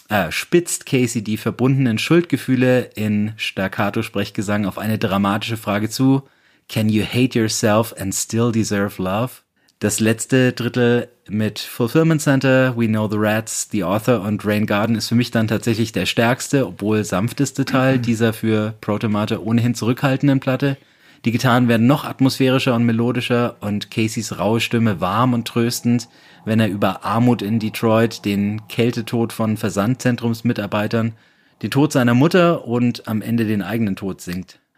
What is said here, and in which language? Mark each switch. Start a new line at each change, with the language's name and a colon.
German: Spitzt Casey die verbundenen Schuldgefühle in Staccato-Sprechgesang auf eine dramatische Frage zu.
English: Can you hate yourself and still deserve love?
German: Das letzte Drittel mit Fulfillment Center, We Know the Rats, The Author und Rain Garden ist für mich dann tatsächlich der stärkste, obwohl sanfteste Teil dieser für Proto-Martyr ohnehin zurückhaltenden Platte. Die Gitarren werden noch atmosphärischer und melodischer und Caseys raue Stimme warm und tröstend, wenn er über Armut in Detroit, den Kältetod von Versandzentrumsmitarbeitern, den Tod seiner Mutter und am Ende den eigenen Tod singt.